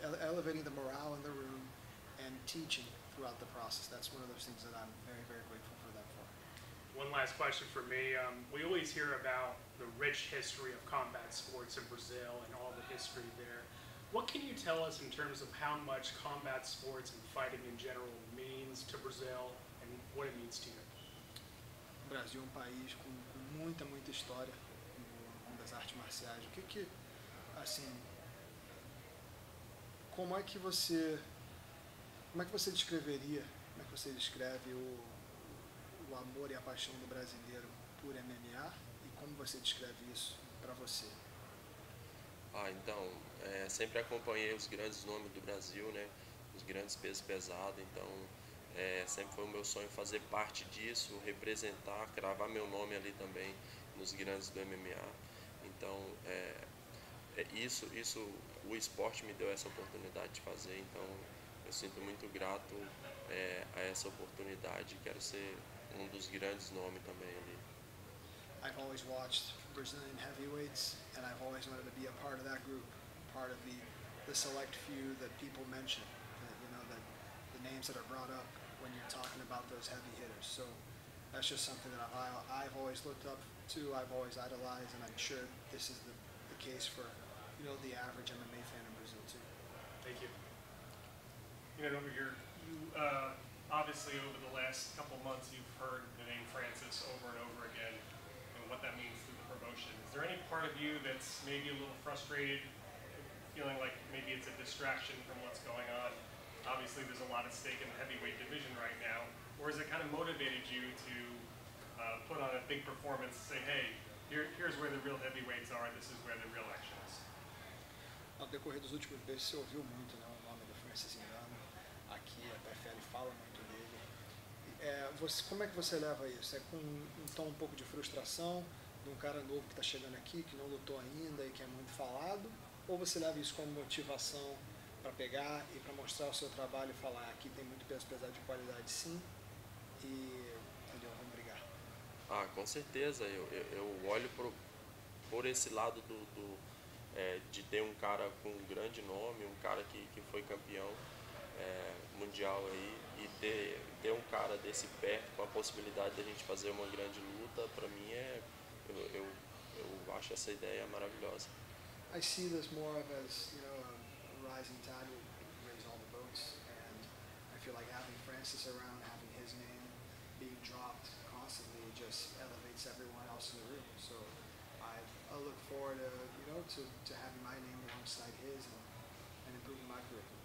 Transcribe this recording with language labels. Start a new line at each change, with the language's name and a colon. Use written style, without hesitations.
English: Elevating the morale in the room and teaching throughout the process. That's one of those things that I'm very, very grateful for them for. one last question for me. We always hear about the rich history of combat sports in Brazil and all the history there. What can you tell us in terms of how much combat sports and fighting in general means to Brazil and what it means to you?
Portuguese: Brasil é um país com muita, muita história das artes marciais. O que que, assim, como é que você descreveria, como é que você descreve o amor e a paixão do brasileiro por MMA e como você descreve isso para você? Ah, então, sempre acompanhei os grandes nomes do Brasil, né, os grandes pesos pesados, então sempre foi o meu sonho fazer parte disso, representar, cravar meu nome ali também nos grandes do MMA. Então, isso o esporte me deu essa oportunidade de fazer, então eu sinto muito grato a essa oportunidade. Quero ser um dos grandes nomes também ali.
English: I've always watched Brazilian heavyweights and I've always wanted to be a part of that group, part of the select few that people mention, that, you know, that the names that are brought up when you're talking about those heavy hitters. So that's just something that I've always looked up to, I've always idolized, and I'm sure this is the case for, you know, the average MMA fan in Brazil too. Thank you. You know, over here, obviously over the last couple months you've heard the name Francis over and over again and what that means to the promotion. Is there any part of you that's maybe a little frustrated, feeling like maybe it's a distraction from what's going on? Obviously there's a lot at stake in the heavyweight division right now. Or has it kind of motivated you to put on a big performance and say, hey, here's where the real heavyweights are, this is where the real action is?
Portuguese: Ao decorrer dos últimos meses, você ouviu muito, né, o nome do Francis Ngannou. Aqui a PFL fala muito dele. Como é que você leva isso? É com um tom um pouco de frustração de um cara novo que está chegando aqui, que não lutou ainda e que é muito falado? Ou você leva isso como motivação para pegar e para mostrar o seu trabalho e falar, aqui tem muito peso pesado de qualidade, sim, e entendeu? Vamos brigar. Ah, com certeza. Eu olho por esse lado do de ter um cara com um grande nome, um cara que foi campeão mundial aí, e ter um cara desse perto com a possibilidade de a gente fazer uma grande luta, para mim eu acho essa ideia maravilhosa.
English: I see this more of as, you know, a rising tide will raise all the boats, and I feel like having Francis around, having his name being dropped constantly, just elevates everyone else in the room. So I look forward to, you know, to having my name alongside his and improving my career.